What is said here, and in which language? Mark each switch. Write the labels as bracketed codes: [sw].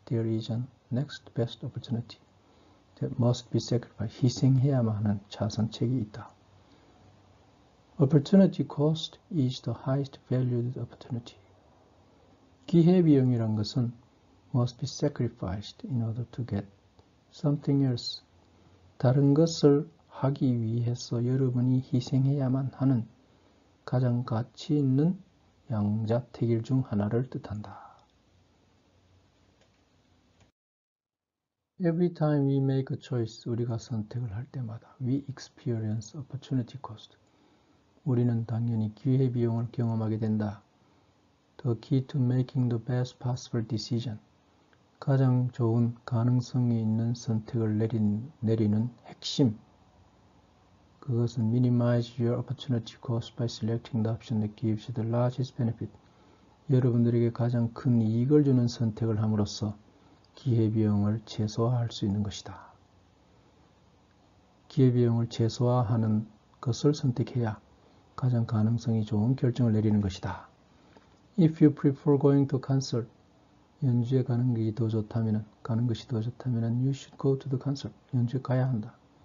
[en] There is a next best opportunity that must be sacrificed. [ko] 희생해야만 하는 차선책이 있다. [en] Opportunity cost is the highest valued opportunity. [ko] 기회비용이란 것은 [en] must be sacrificed in order to get something else. [ko] 다른 것을 하기 위해서 여러분이 희생해야만 하는 가장 가치 있는 양자택일 중 하나를 뜻한다. [en] Every time we make a choice, [ko] 우리가 선택을 할 때마다 [en] we experience opportunity cost. [ko] 우리는 당연히 기회 비용을 경험하게 된다. [en] The key to making the best possible decision. [ko] 가장 좋은 가능성이 있는 선택을 내리는 핵심. 그것은 [en] minimize your opportunity cost by selecting the option that gives you the largest benefit. [ko] 여러분들에게 가장 큰 이익을 주는 선택을 함으로써 기회비용을 최소화할 수 있는 것이다. 기회비용을 최소화하는 것을 선택해야 가장 가능성이 좋은 결정을 내리는 것이다. [en] If you prefer going to concert, [ko] 연주에 가는 것이 더 좋다면은 [en] you should go to the concert. [ko] 연주에 가야 한다.